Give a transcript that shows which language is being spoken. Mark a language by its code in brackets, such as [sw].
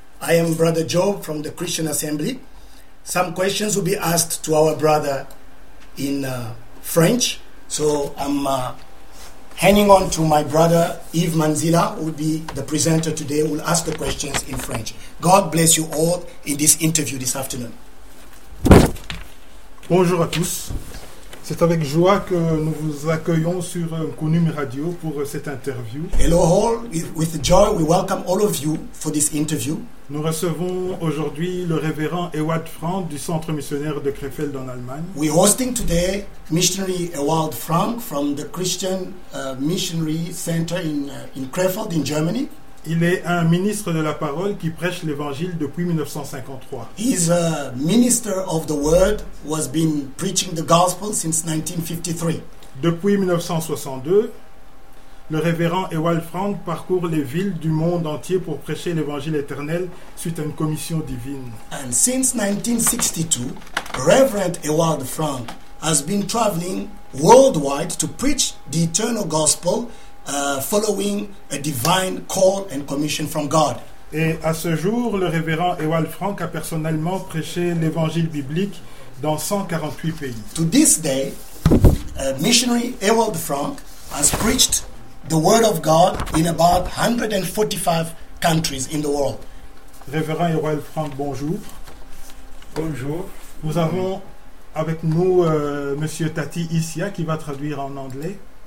[en] I am Brother Job from the Christian Assembly. Some questions will be asked to our brother in French. So I'm hanging on to my brother Yves Manzila, who will be the presenter today, who will ask the questions in French. God bless you all in this interview this afternoon. [fr] Bonjour à tous. C'est avec joie que nous vous accueillons sur Kumnim Radio pour cette interview. [en] Hello all, with joy we welcome all of you for this interview. [fr] Nous recevons aujourd'hui le révérend Ewald Frank du centre missionnaire de Krefeld en Allemagne. [en] We're hosting today missionary Ewald Frank from the Christian missionary center in Krefeld in Germany. [fr] Il est un ministre de la parole qui prêche l'évangile depuis 1953. [en] He's a minister of the word who has been preaching the gospel since 1953. [fr] Depuis 1962, le révérend Ewald Frank parcourt les villes du monde entier pour prêcher l'évangile éternel suite à une commission divine. [en] And since 1962, Reverend Ewald Frank has been traveling worldwide to preach the eternal gospel. Following a divine call and commission from God. [fr] Et à ce jour, le révérend Ewald Frank a personnellement prêché l'évangile biblique dans 148 pays. [en] To this day, missionary Ewald Frank has preached the word of God in about 145 countries in the world. [fr] Révérend Ewald Frank, bonjour. Bonjour. Nous avons avec nous monsieur Tati Issia qui va traduire en anglais.